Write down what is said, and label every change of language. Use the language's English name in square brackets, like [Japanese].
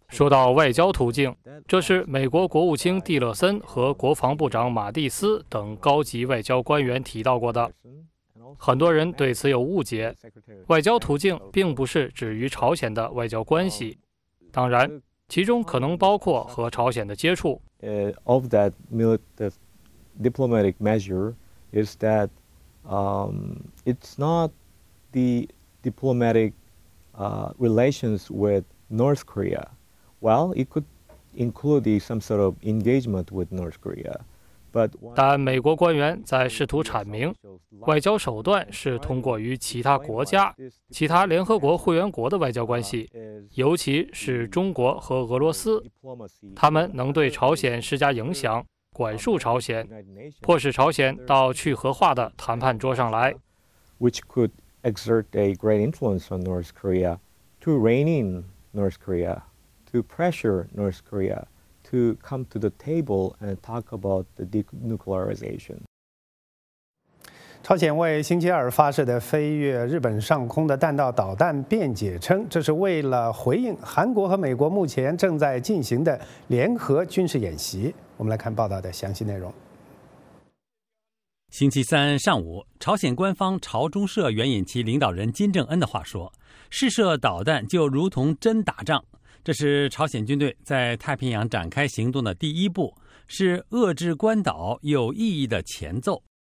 [Chinese] 说到外交途径，这是美国国务卿蒂勒森和国防部长马蒂斯等高级外交官员提到过的。很多人对此有误解，外交途径并不是指与朝鲜的外交关系，当然，其中可能包括和朝鲜的接触。 [English] Of that diplomatic measure is that. It's not the diplomatic relations with North Korea. Well, it could include some sort of engagement with North Korea. But [Chinese] 但美国官员在试图阐明，外交手段是通过与其他国家、其他联合国会员国的外交关系，尤其是中国和俄罗斯，他们能对朝鲜施加影响。管束朝鲜，迫使朝鲜到去核化的谈判桌上来。 [English] Which could exert a great influence on North Korea to rein in North Korea, to pressure North Korea to come to the table and talk about the denuclearization. [Chinese] 朝鲜为星期二发射的飞越日本上空的弹道导弹辩解称，这是为了回应韩国和美国目前正在进行的联合军事演习。我们来看报道的详细内容。星期三上午，朝鲜官方朝中社援引其领导人金正恩的话说，试射导弹就如同真打仗，这是朝鲜军队在太平洋展开行动的第一步，是遏制关岛有意义的前奏。